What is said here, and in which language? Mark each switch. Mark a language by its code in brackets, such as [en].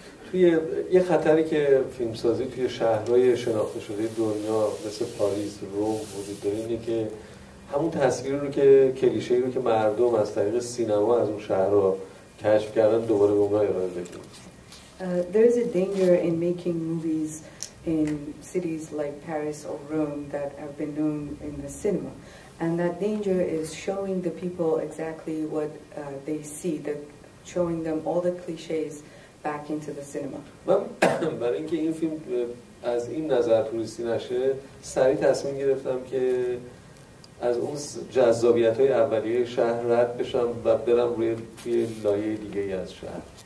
[fa] توی یه خطری که فیلمسازی توی شهرهای شناخته شده دنیا مثل پاریس، روم وجود داره اینه که همون تصویر رو که کلیشه رو که مردم از طریق سینما از اون شهرها کشف کردن دوباره به اونها ارائه بدیم. [en] There is a danger in making movies in cities like Paris or Rome that have been known in the cinema. And that danger is showing the people exactly what they see, showing them all the clichés back into the cinema. [fa] برای اینکه این فیلم از این نظر توریستی نشه، سریع تصمیم گرفتم که از اون جذابیت های اولیه شهر رد بشم و برم روی لایه دیگه از شهر.